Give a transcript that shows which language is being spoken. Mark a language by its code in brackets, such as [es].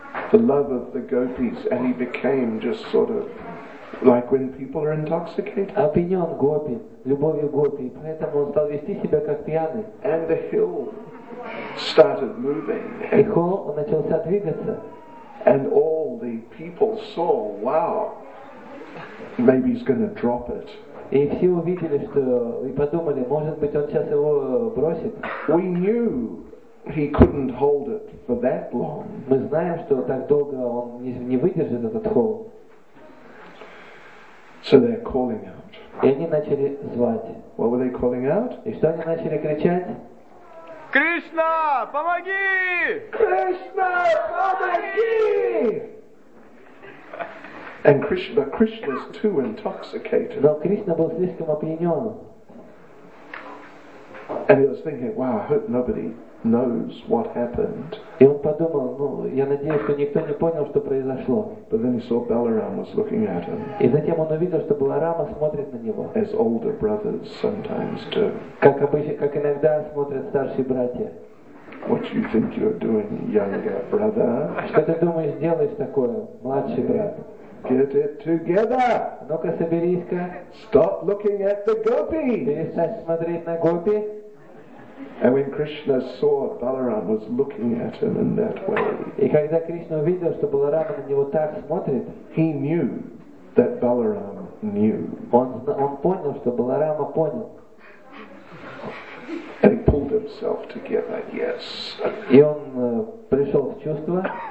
[en] The love of the gopis, and he became just sort of like when people are intoxicated. [ru] Опьянён гопи, любовью гопи, поэтому он стал вести себя как пьяный. [en] And the hill started moving. [ru] И холм начался двигаться. [en] And all the people saw, wow, maybe he's going to drop it. [ru] И все увидели, что и подумали, может быть, он сейчас его бросит. [en] We knew he couldn't hold it for that long. [ru] Мы знаем, что так долго он не выдержит этот холм. [en] So they're calling out. [ru] И они начали звать. [en] What were they calling out? [ru] И что они начали кричать? Кришна, помоги! Кришна, помоги! [en] And Krishna, Krishna's too intoxicated. [ru] Но Кришна был слишком опьянён. [en] And he was thinking, "Wow, I hope nobody knows what happened." [ru] И он подумал, ну, я надеюсь, что никто не понял, что произошло. [en] But then he saw Balaram was looking at him. [ru] И затем он увидел, что Баларама смотрит на него. [en] As older brothers sometimes do. [ru] Как обычно, как иногда смотрят старшие братья. [en] What you think you're doing, younger brother? [ru] Что ты думаешь, делаешь такое, младший брат? [en] Get it together. [ru] Ну-ка, соберись-ка. [en] Stop looking at the gopi. [ru] Перестань смотреть на гопи. [en] And when Krishna saw Balaram was looking at him in that way. [ru] И когда Кришна увидел, что Баларама на него так смотрит, [en] he knew that Balaram knew. [ru] Он понял, что Баларама понял. [en] And he pulled himself together. Yes. [ru] И он пришел в чувство.